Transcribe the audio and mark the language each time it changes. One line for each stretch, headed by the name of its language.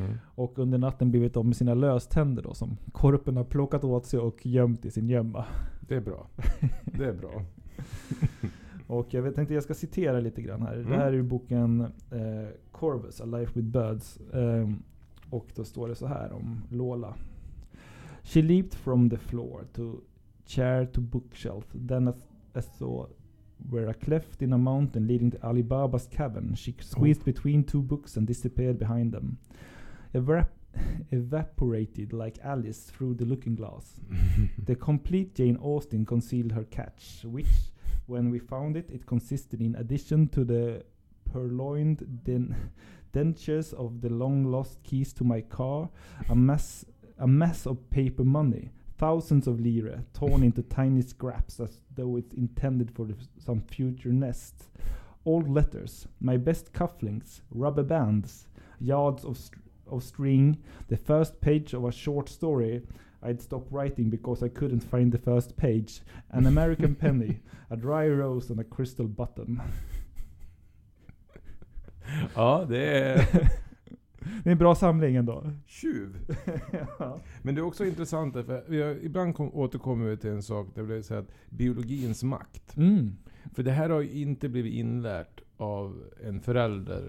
Swedish: Och under natten blivit av med sina löständer då, som korpen har plockat åt sig och gömt i sin gömma. Det är bra. Det är bra. Och jag tänkte jag ska citera lite grann här. Det här är ju boken Corvus, A Life with Birds. Och då står det så här om Lola.
English: She leaped from the floor to chair to bookshelf, then I saw where a cleft in a mountain leading to Ali Baba's cabin. She squeezed between two books and disappeared behind them. Evaporated like Alice through the looking glass. The complete Jane Austen concealed her catch, which, when we found it, it consisted in addition to the purloined dentures of the long-lost keys to my car, a mess of paper money. Thousands of lire torn into tiny scraps as though it's intended for some future nest. Old letters, my best cufflinks, rubber bands, yards of string, the first page of a short story I'd stop writing because I couldn't find the first page, an American penny, a dry rose and a crystal button.
Swedish: Ja, det är Det är en bra samling ändå. Tjuv. Ja. Men det är också intressant, för ibland återkommer vi till en sak där vi säger att biologins makt. Mm. För det här har ju inte blivit inlärt av en förälder.